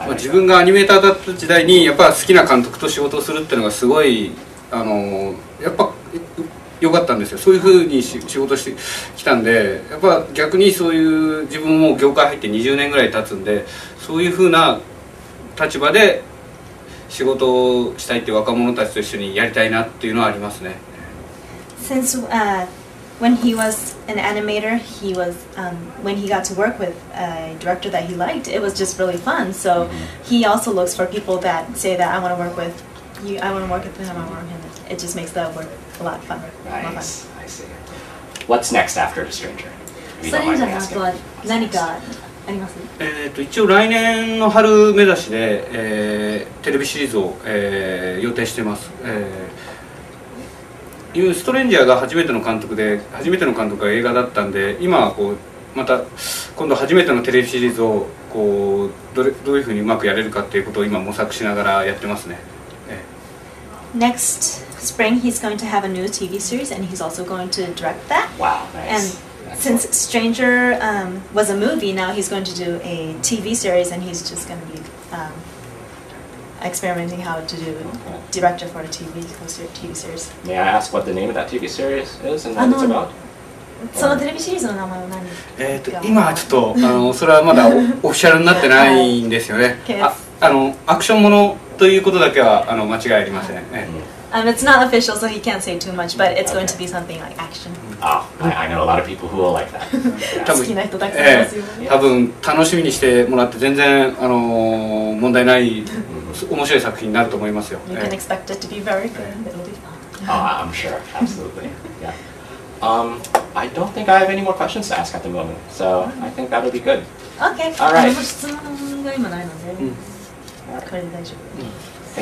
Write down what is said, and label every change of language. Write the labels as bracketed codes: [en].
[ja] 自分がアニメーターだった時代に、やっぱ好きな監督と仕事をするっていうのがすごい、やっぱ良かったんですよ。そういうふうに仕事してきたんで、やっぱ逆にそういう自分も業界入って20年ぐらい経つんで、そういうふうな立場で仕事をしたいって若者たちと一緒にやりたいなっていうのはありますね。 [en] Since when he was an animator, he was when he got to work with a director that he liked, it was just really fun. So he also looks for people that say that I want to work with you, I want to work with him, I want him. It just makes that work. A lot of fun. Nice. I see. What's next after Stranger? [ja] ストレンジャーの後は何かあります？一応来年の春目指しで、テレビシリーズを、予定しています。いうストレンジャーが初めての監督で、初めての監督が映画だったんで、今はこうまた今度初めてのテレビシリーズをこう どういうふうにうまくやれるかっていうことを今模索しながらやってますね。 [en] Next. Spring, he's going to have a new TV series, and he's also going to direct that. Wow, nice. And、Excellent. Since Stranger was a movie, now he's going to do a TV series, and he's just going to be experimenting how to do director for a TV series. May I ask what the name of that TV series is and what it's about? [ja] そのテレビシリーズの名前は何ですか？今はちょっとそれはまだオフィシャルになってないんですよね。アクションものということだけは間違いありません。 [en] It's not official, so he can't say too much, but it's going to be something like action. I know a lot of people who will like that. [ja] 好きな人たくさんいますよ。多分楽しみにしてもらって全然問題ない面白い作品になると思いますよ。 [en] You can expect it to be very good. It'll be fun. I'm sure. Absolutely. Yeah. I don't think I have any more questions to ask at the moment. So I think that'll be good. Okay. All right. [ja] 質問が今ないので、これで大丈夫。